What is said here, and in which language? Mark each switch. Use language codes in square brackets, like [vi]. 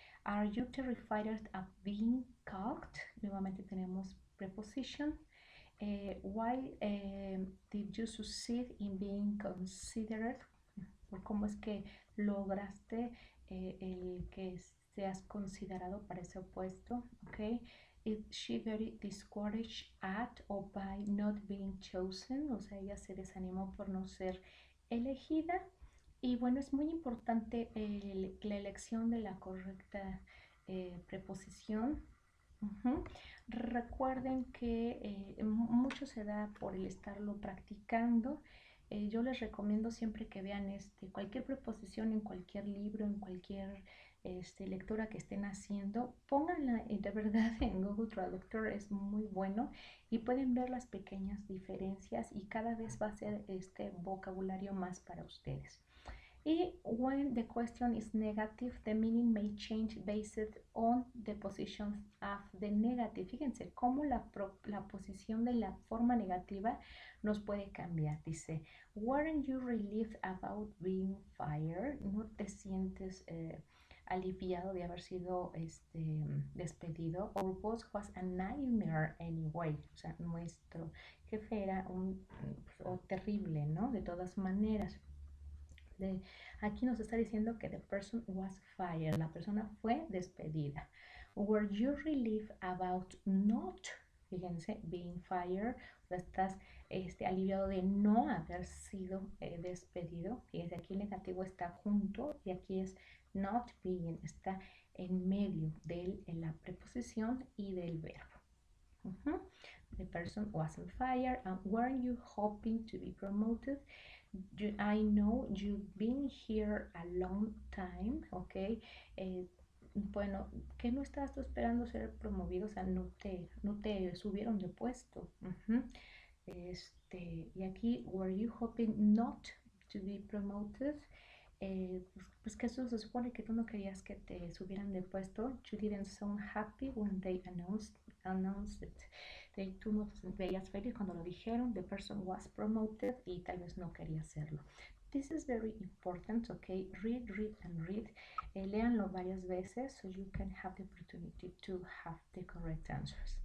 [en] Are you terrified of being caught? [es] Nuevamente tenemos [en] preposition. Why did you succeed in being considered? [es] ¿Cómo es que lograste el que seas considerado para ese puesto? [en] Okay. Is she very discouraged at or by not being chosen? [es] O sea, ella se desanimó por no ser elegida. Y bueno, es muy importante la elección de la correcta preposición. Recuerden que mucho se da por el estarlo practicando. Yo les recomiendo siempre que vean cualquier preposición en cualquier libro, en cualquier lectura que estén haciendo. Pónganla de verdad en Google Traductor, es muy bueno y pueden ver las pequeñas diferencias y cada vez va a ser este vocabulario más para ustedes. [en] Y when the question is negative, the meaning may change based on the position of the negative. [es] Fíjense cómo la posición de la forma negativa nos puede cambiar. [en] Dice, weren't you relieved about being fired? [es] ¿No te sientes aliviado de haber sido despedido? [en] Or was a nightmare anyway. [es] O sea, nuestro jefe era terrible, ¿no? De todas maneras. Aquí nos está diciendo que [en] the person was fired, [es] la persona fue despedida. [en] Were you relieved about not [es] Fíjense, [en] being fired, [es] o estás aliviado de no haber sido despedido. Fíjense, aquí el negativo está junto y aquí es [en] not being, [es] está en medio de la preposición y del verbo. [en] The person wasn't fired and weren't you hoping to be promoted? I know you've been here a long time, ¿ok? [es] Bueno, ¿qué no estabas tú esperando ser promovido? O sea, no te subieron de puesto. Y aquí, [en] were you hoping not to be promoted? [es] Pues que eso se supone que tú no querías que te subieran de puesto. [en] You didn't sound happy when they announced it. [es] Tú no veías feliz cuando lo dijeron, [en] the person was promoted [es] y tal vez no quería hacerlo. [en] This is very important, okay? Read, read and read. [es] Léanlo varias veces [en] so you can have the opportunity to have the correct answers.